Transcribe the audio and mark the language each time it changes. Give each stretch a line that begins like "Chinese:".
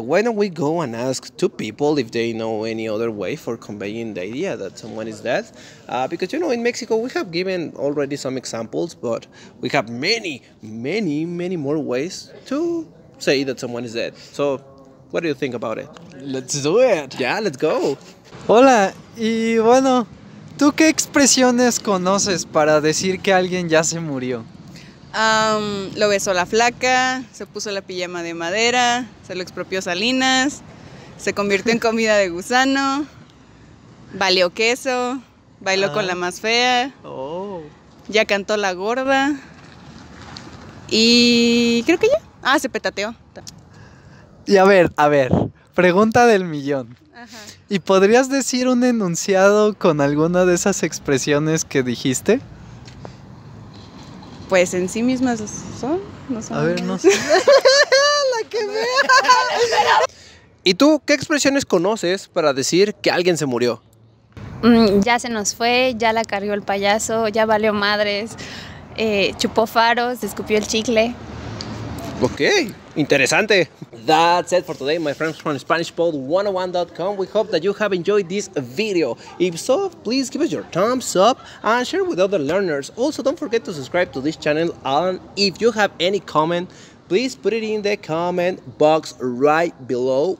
English: Why don't we go and ask two people if they know any other way for conveying the idea that someone is dead? Because, you know, in Mexico, we have given already some examples, but we have many, many, many more ways to say that someone is dead. So, what do you think about it? Let's do it. Yeah, let's go.
Spanish: Hola, y bueno, ¿tú qué expresiones conoces para decir que alguien ya se murió? Lo besó la flaca, se puso la pijama de madera, se lo expropió Salinas, se convirtió en comida de gusano, valió queso, bailó con la más fea, ya cantó la gorda y creo que ya. Ah, se petateó. Y a ver, pregunta del millón. ¿Y podrías decir un enunciado con alguna de esas expresiones que dijiste? Pues en sí mismas son, no son. A ver, no sé. ¡La que vea! ¿Y tú qué expresiones conoces para decir que alguien se murió? Ya se nos fue, ya la cargó el payaso, ya valió madres, chupó faros, escupió el chicle. Ok, interesante.
English: That's it for today, my friends from SpanishPod101.com. We hope that you have enjoyed this video. If so, please give us your thumbs up and share with other learners. Also, don't forget to subscribe to this channel. And if you have any comment, please put it in the comment box right below.